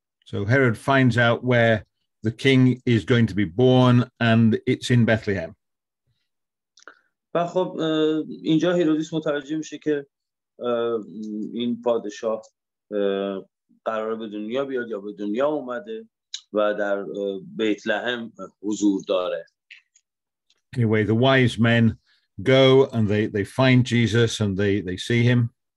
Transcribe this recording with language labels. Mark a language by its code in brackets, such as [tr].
[en] So Herod finds out where the king is going to be born, and it's in Bethlehem. [fa] و خب اینجا هیرودیس متوجه میشه که این پادشاه قراره به دنیا بیاد یا به دنیا اومده و در بیت لحم حضور داره. [en] Anyway, the wise men go and they find Jesus and they see him.